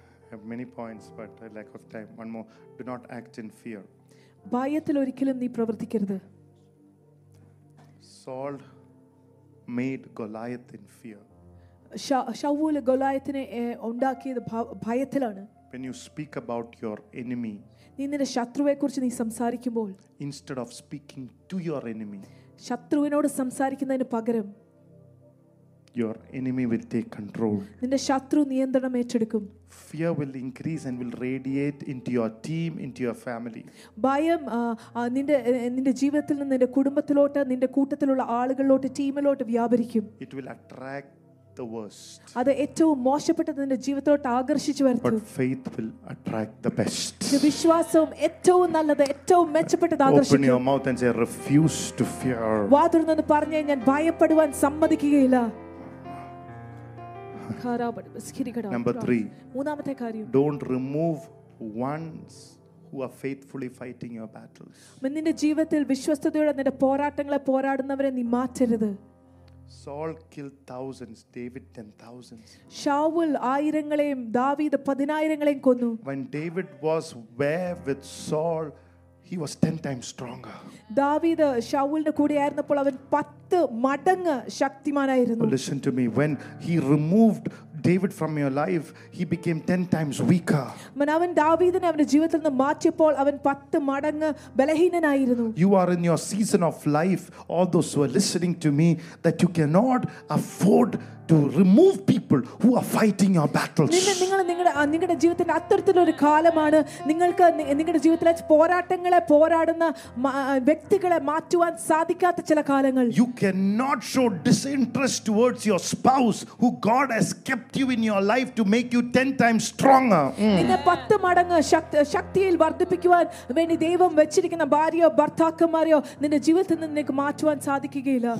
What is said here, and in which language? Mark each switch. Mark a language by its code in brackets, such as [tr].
[en] Have many points, but a lack of time. One more. Do not act in fear. [ml] ഭയത്തിൽ ഒരിക്കലും നീ പ്രവർത്തിക്കരുത്. [en] Saul made Goliath in fear. [ml] ഷൗവൂല് ഗൊലായത്തിനെ ഉണ്ടാക്കിയത് ഭയത്തിലാണ്. [en] When you speak about your enemy, [ml] നിന്റെ ശത്രുവിനെ കുറിച്ച് നീ സംസാരിക്കുമ്പോൾ, [en] instead of speaking to your enemy, [ml] ശത്രുവിനോട് സംസാരിക്കുന്നതിനു പകരം, [en] your enemy will take control, [ml] നിന്റെ ശത്രു നിയന്ത്രണം ഏറ്റെടുക്കും. [en] Fear will increase and will radiate into your team, into your family. [ml] ഭയം നിന്റെ ജീവിതത്തിൽ നിന്ന് നിന്റെ കുടുംബത്തിലോട്ട് നിന്റെ കൂട്ടത്തിലുള്ള ആളുകളിലോട്ട് ടീമിലോട്ട് വ്യാപരിക്കും. [en] It will attract the worst. [ml] അത് ഏറ്റവും മോശപ്പെട്ടത് നിന്റെ ജീവിതത്തോട്ട് ആകർഷിച്ചു വരും. [en] But faith will attract the best. [ml] വിശ്വാസം ഏറ്റവും നല്ലത് ഏറ്റവും മെച്ചപ്പെട്ടത് ആകർഷിക്കും. [en] Open your mouth and say, refuse to fear. [ml] വാ തുറന്നു പറഞ്ഞു ഞാൻ ഭയപ്പെടുവാൻ സമ്മതിക്കുകയില്ല. [en] Number 3, don't remove ones who are faithfully fighting your battles. [ml] നിന്റെ ജീവിതത്തിൽ വിശ്വസ്തതയോടെ നിന്റെ പോരാട്ടങ്ങളെ പോരാടുന്നവരെ നീ മാറ്റരുത്. [en] Saul killed thousands, David 10,000. [ml] Shaul ആയിരങ്ങളെയും ദാവീദ് 10,000 കൊന്നു. [en] When David was there with Saul, he was 10 times stronger. [ml] ദാവീദ് ഷൗലിന്റെ കൂടെ ആയിരുന്നപ്പോൾ അവൻ 10 മടങ്ങ് ശക്തിമാനായിരുന്നു. [en] Listen to me, when he removed David from your life, he became 10 times weaker. [ml] മനവൻ ദാവീദിനെ അവന്റെ ജീവിതത്തിൽ നിന്ന് മാറ്റിയപ്പോൾ അവൻ 10 മടങ്ങ് ബലഹീനനായിരുന്നു. [en] You are in your season of life, all those who are listening to me, that you cannot afford to remove people who are fighting your battles. [ml] നിങ്ങളുടെ ജീവിതത്തിന്റെ അത്തരത്തിൽ ഒരു കാലമാണ്. നിങ്ങൾക്ക് നിങ്ങളുടെ ജീവിതത്തിലെ പോരാട്ടങ്ങളെ പോരാടുന്ന വ്യക്തികളെ മാറ്റുവാൻ സാധിക്കാത്ത ചില കാലങ്ങൾ. [en] You cannot show disinterest towards your spouse who God has kept you in your life to make you 10 times stronger. [ml] നിന്നെ 10 മടങ്ങ് ശക്തിയിൽ വർദ്ധിപ്പിക്കുവാൻ വേണ്ടി ദൈവം വെച്ചിരിക്കുന്ന ഭാര്യയോ ഭർത്താക്കന്മാരെയോ നിന്റെ ജീവിതത്തിൽ നിന്ന് നിനക്ക് മാറ്റുവാൻ സാധിക്കുകയില്ല.